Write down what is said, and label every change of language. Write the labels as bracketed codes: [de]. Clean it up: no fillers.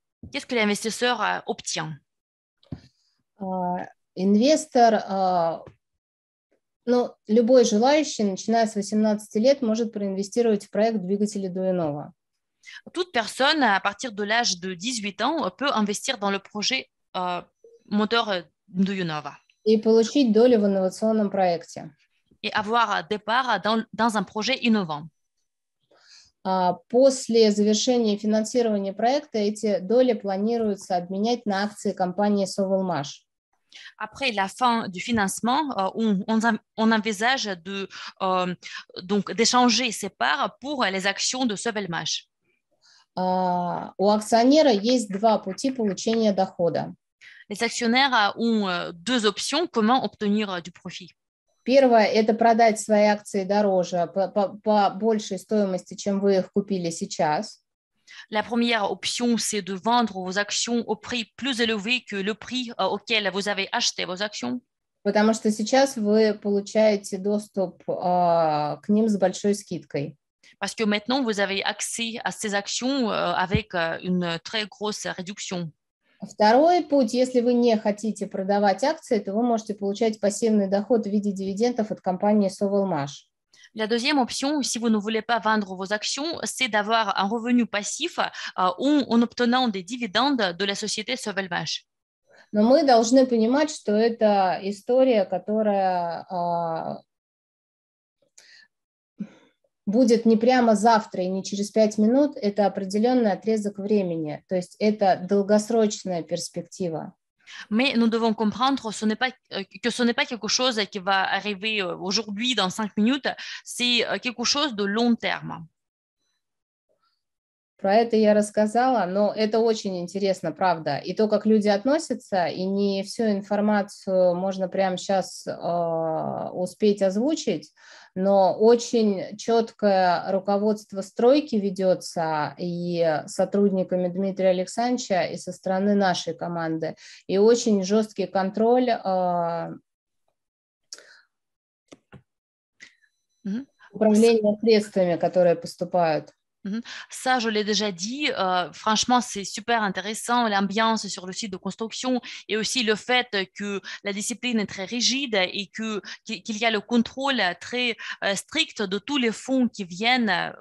[fr] Qu'est-ce que l'investisseur obtient? [ru] Инвестор, ну, любой желающий, начиная с 18 лет, может проинвестировать в проект двигателя Дуйнова. [fr] Toute personne à partir de l'âge de 18 ans peut investir dans le projet moteur Дуйнова. [ru] И получить долю в инновационном проекте. [fr] Et avoir des parts dans un projet innovant. [ru] После завершения финансирования проекта эти доли планируется обменять на акции компании Sovelmash. [fr] Après la fin du financement, on envisage de donc d'échanger ces parts pour les actions de Sovelmash. [ru] У акционера есть два пути получения дохода. [fr] Les actionnaires ont deux options comment obtenir du profit. [ru] Первое – это продать свои акции дороже, по большей стоимости, чем вы их купили сейчас. [fr] La première option, c'est de vendre vos actions au prix plus élevé que le prix auquel vous avez acheté vos actions. [ru] Потому что сейчас вы получаете доступ к ним с большой скидкой. [fr] Parce que maintenant, vous avez accès à ces actions avec une très grosse réduction. [ru] Второй путь, если вы не хотите продавать акции, то вы можете получать пассивный доход в виде дивидендов от компании Sovelmash. [fr] La deuxième option, si vous ne voulez pas vendre vos actions, c'est d'avoir un revenu passif en obtenant des dividendes de la société Sovelmash. [ru] Но мы должны понимать, что это история, которая будет не прямо завтра и не через пять минут, это определенный отрезок времени, то есть это долгосрочная перспектива. [fr] Mais nous devons comprendre que ce n'est pas quelque chose qui va arriver aujourd'hui dans cinq minutes, c'est quelque chose de long terme. [ru] Про это я рассказала, но это очень интересно, правда. И то, как люди относятся, и не всю информацию можно прямо сейчас успеть озвучить, но очень четкое руководство стройки ведется и сотрудниками Дмитрия Александровича, и со стороны нашей команды. И очень жесткий контроль управления средствами, которые поступают. [fr] Ça, je l'ai déjà dit. Franchement, c'est super intéressant, l'ambiance sur le site de construction et aussi le fait que la discipline est très rigide et que, qu'il y a le contrôle très strict de tous les fonds qui viennent.